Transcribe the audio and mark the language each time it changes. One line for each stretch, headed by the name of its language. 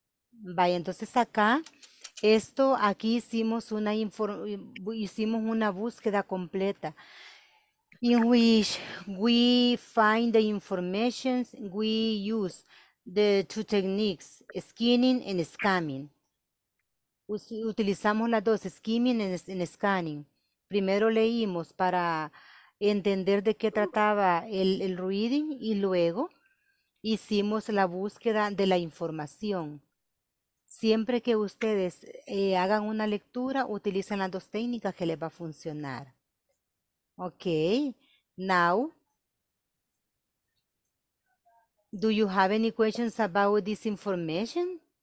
Spanish: Vaya, entonces acá, esto, aquí hicimos una búsqueda completa.
English: In which we find the information we use the two techniques, skimming and scanning.
Spanish: Utilizamos las dos, skimming and scanning. Primero leímos para entender de qué trataba el reading y luego hicimos la búsqueda de la información. Siempre que ustedes hagan una lectura, utilizan las dos técnicas que les va a funcionar.
English: Ok, now, do you have any questions about this information?